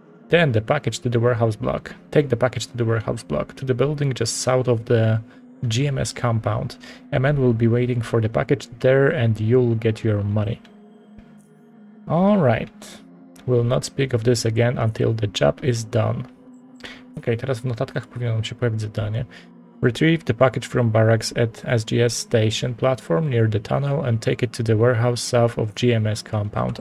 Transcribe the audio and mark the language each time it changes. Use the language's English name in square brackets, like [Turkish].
[English] Then the package to the warehouse block. Take the package to the warehouse block, to the building just south of the GMS compound. A man will be waiting for the package there and you'll get your money. All right. We'll not speak of this again until the job is done. [Polish] Okay, teraz w notatkach powinno nam się pojawić zadanie. [English] Retrieve the package from barracks at SGS station platform near the tunnel and take it to the warehouse south of GMS compound.